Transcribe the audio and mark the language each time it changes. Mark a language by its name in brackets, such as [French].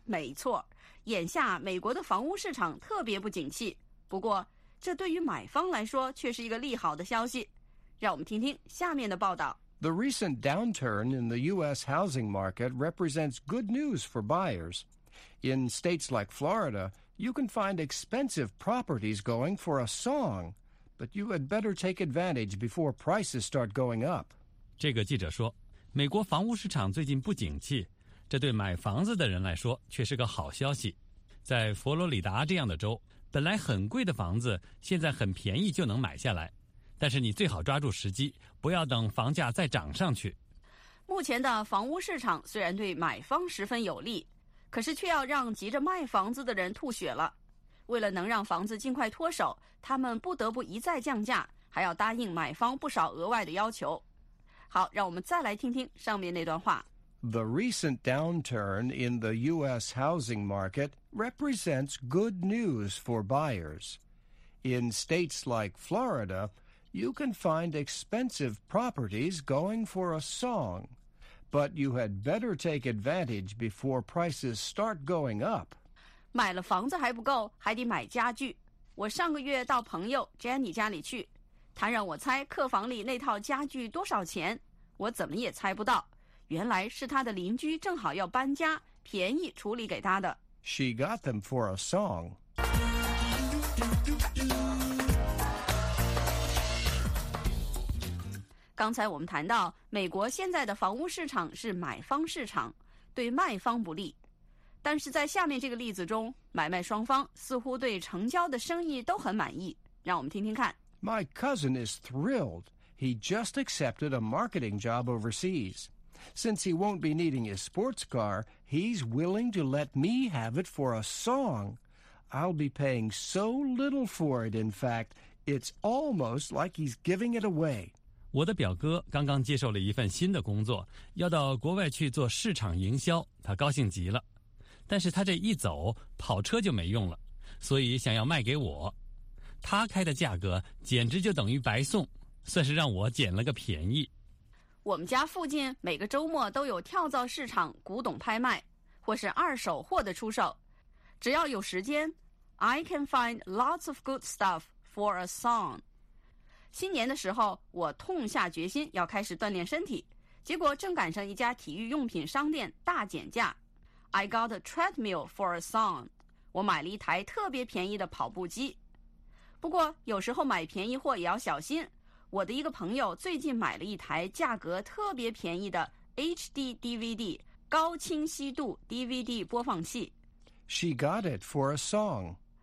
[Chinese] 没错，眼下美国的房屋市场特别不景气，不过这对于买方来说却是一个利好的消息。让我们听听下面的报道。 [English] The recent downturn in the U.S. housing market represents good news for buyers. In states like Florida, you can find expensive properties going for a song, but you had better take advantage before prices start going up. [Chinese] 这个记者说美国房屋市场最近不景气，这对买房子的人来说却是个好消息。在佛罗里达这样的州，本来很贵的房子现在很便宜就能买下来，但是你最好抓住时机，不要等房价再涨上去。目前的房屋市场虽然对买方十分有利，可是却要让急着卖房子的人吐血了。为了能让房子尽快脱手，他们不得不一再降价，还要答应买方不少额外的要求。好，让我们再来听听上面那段话。 [English] The recent downturn in the U.S. housing market represents good news for buyers. In states like Florida, you can find expensive properties going for a song. But you had better take advantage before prices start going up. [Chinese] 买了房子还不够，还得买家具。我上个月到朋友 Jenny 家里去，她让我猜客房里那套家具多少钱，我怎么也猜不到。原来是她的邻居正好要搬家，便宜处理给她的。 [English] She got them for a song. [Chinese] 刚才我们谈到，美国现在的房屋市场是买方市场，对卖方不利。但是在下面这个例子中，买卖双方似乎对成交的生意都很满意。让我们听听看。 [English] My cousin is thrilled. He just accepted a marketing job overseas. Since he won't be needing his sports car, he's willing to let me have it for a song. I'll be paying so little for it, in fact, it's almost like he's giving it away. [Chinese] 我的表哥刚刚接受了一份新的工作，要到国外去做市场营销，他高兴极了。但是他这一走，跑车就没用了，所以想要卖给我。他开的价格简直就等于白送，算是让我捡了个便宜。我们家附近每个周末都有跳蚤市场古董拍卖，或是二手货的出售。只要有时间 [English] ，I can find lots of good stuff for a song. [Chinese] 新年的时候，我痛下决心要开始锻炼身体，结果正赶上一家体育用品商店大减价。 [English] I got a treadmill for a song. [Chinese] 我买了一台特别便宜的跑步机。不过，有时候买便宜货也要小心。我的一个朋友最近买了一台价格特别便宜的 HD DVD 高清晰度 DVD 播放器。 [English] She got it for a song.